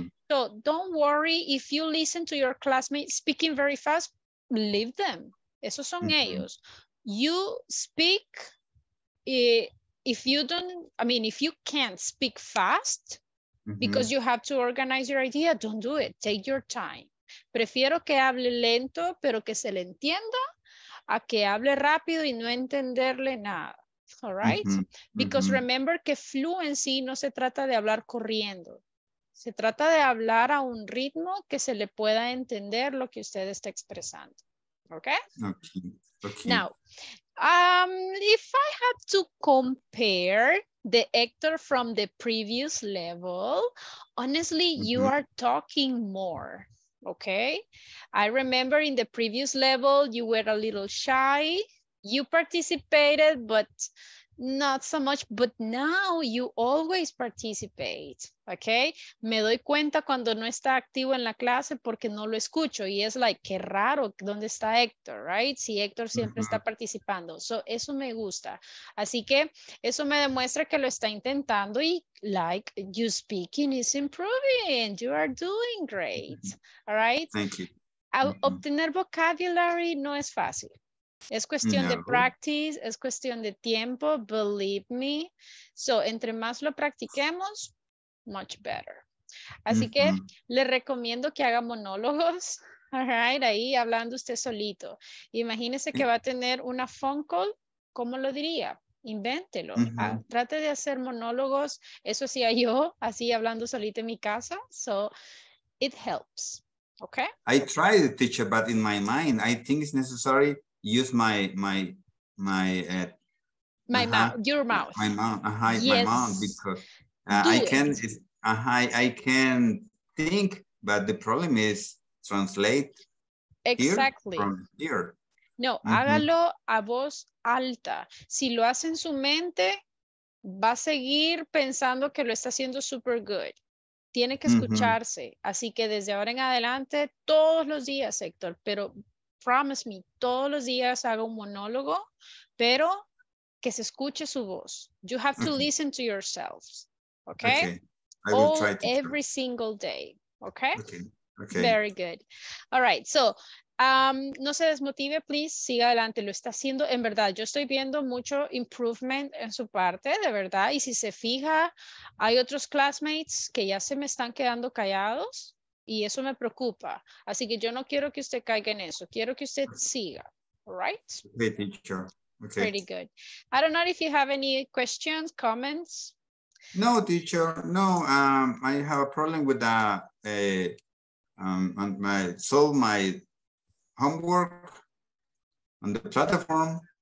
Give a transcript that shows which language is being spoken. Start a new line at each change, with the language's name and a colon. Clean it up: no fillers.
English: So don't worry if you listen to your classmates speaking very fast, leave them.
Spanish: Esos son ellos.
English: You speak, if you can't speak fast because you have to organize your idea, don't do it. Take your time.
Spanish: Prefiero que hable lento, pero que se le entienda, a que hable rápido y no entenderle nada.
English: All right? Because remember
Spanish: que fluency no se trata de hablar corriendo. Se trata de hablar a un ritmo que se le pueda entender lo que usted está expresando.
English: Okay? Okay. Now, if I have to compare the actor from the previous level, honestly, you are talking more. Okay? I remember in the previous level, you were a little shy. You participated, but not so much, but now you always participate, okay?
Spanish: Me doy cuenta cuando no está activo en la clase porque no lo escucho, y es like, qué raro, ¿dónde está Héctor, right? Si Héctor siempre está participando. So, eso me gusta. Así que, eso me demuestra que lo está intentando y, like,
English: you speaking is improving, you are doing great, all right? Thank you.
Spanish: Obtener vocabulary no es fácil. Es cuestión de practice, es cuestión de tiempo,
English: believe me.
Spanish: So, entre más lo practiquemos,
English: much better.
Spanish: Así que, le recomiendo que haga monólogos,
English: all right,
Spanish: ahí hablando usted solito. Imagínese que va a tener una phone call, ¿cómo lo diría? invéntelo. Uh-huh. Trate de hacer monólogos. Eso hacía yo, así hablando solita en mi casa.
English: So, it helps. Okay? I tried, teacher, but in my mind, I think it's necessary use my My mouth. Because I can think, but the problem is translate. Exactly. Here from here.
Spanish: No, mm-hmm. Hágalo a voz alta. Si lo hace en su mente, va a seguir pensando que lo está haciendo
English: super good.
Spanish: Tiene que escucharse. Mm-hmm. Así que desde ahora en adelante, todos los días, Héctor, pero
English: promise me,
Spanish: todos los días haga un monólogo, pero que se escuche su voz.
English: You have to listen to yourselves. Okay? I will try every single day. Okay? Okay. Very good. All right.
Spanish: So, no se desmotive, please. Siga adelante. Lo está haciendo. En verdad, yo estoy viendo mucho improvement en su parte, de verdad. Y si se fija, hay otros classmates que ya se me están quedando callados. Y eso me preocupa. Así que yo no quiero que usted caiga en eso. Quiero que usted siga.
English: All right? Okay, teacher. Okay. Pretty good. I don't know if you have any questions, comments. No, teacher. No. I have a problem with my homework on the platform.